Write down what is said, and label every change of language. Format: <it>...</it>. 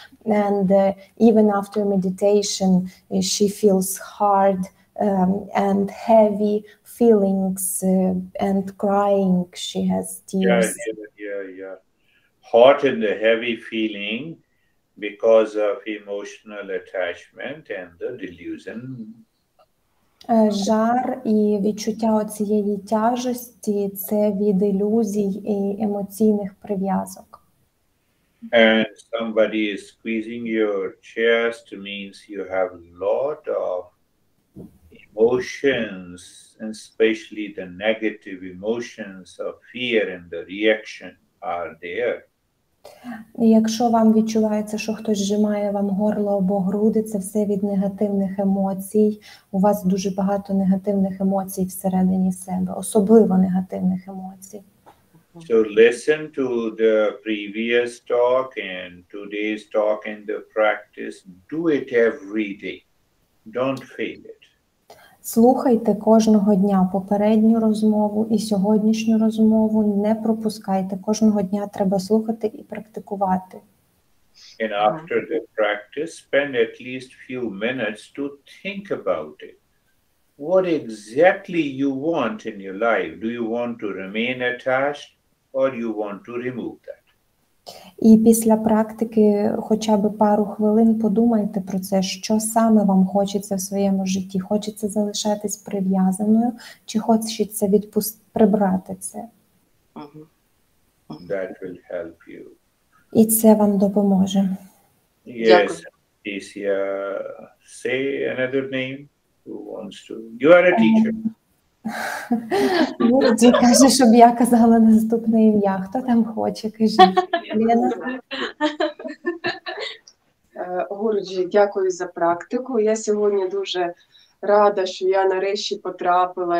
<en>And even after meditation, she feels hard and heavy feelings and crying. She has tears. Yeah. Hot and the heavy feeling because of emotional attachment and the delusion.</en> <uk>Жар і відчуття оцієї тяжості – це від ілюзій і емоційних прив'язок.</uk> <en>And somebody is squeezing your chest means you have a lot of emotions, and especially the negative emotions of fear and the reaction are there.</en> <uk>Якщо вам відчувається, що хтось зжимає вам горло або груди, це все від негативних емоцій. У вас дуже багато негативних емоцій всередині себе, особливо негативних емоцій.</uk> <en>So listen to the previous talk and today's talk and the practice. Do it every day. Don't fail it.</en> <uk>Слухайте кожного дня попередню розмову і сьогоднішню розмову, не пропускайте. Кожного дня треба слухати і практикувати.</uk> <en>And after the practice, spend at least few minutes to think about it. What exactly you want in your life? Do you want to remain attached or you want to remove that?</en> <uk>І після практики хоча б пару хвилин подумайте про це, що саме вам хочеться в своєму житті. Хочеться залишатись прив'язаною, чи хочеться прибрати це?</uk> <en>That will help you.</en> <uk>І це вам допоможе.</uk> <en>Yes, is say another name who wants to. You are a teacher.</en> <uk>Гурджі каже, щоб я казала наступне ім'я. Хто там хоче, кажіть. Гурджі, дякую за практику. Я сьогодні дуже рада, що я нарешті потрапила.</uk>